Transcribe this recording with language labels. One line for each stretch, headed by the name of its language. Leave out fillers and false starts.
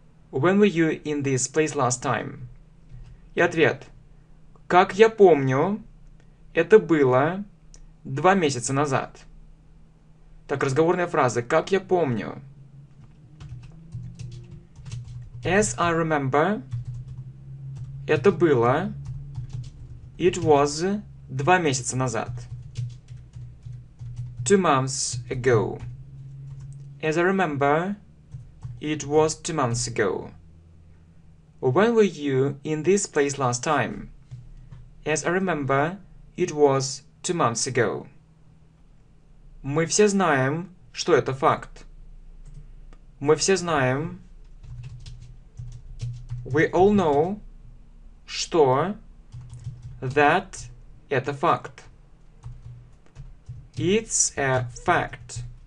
English: When were you in this place last time?
Russian: И ответ. Как я помню, это было 2 месяца назад. Так, разговорная фраза. Как я помню?
English: As I remember,
Russian: это было,
English: it was 2
Russian: месяца назад.
English: 2 months ago. As I remember, it was 2 months ago. When were you in this place last time? As I remember, it was 2 months ago.
Russian: Мы все знаем, что это факт. Мы все знаем.
English: We all know,
Russian: что
English: that
Russian: это факт.
English: It's a fact.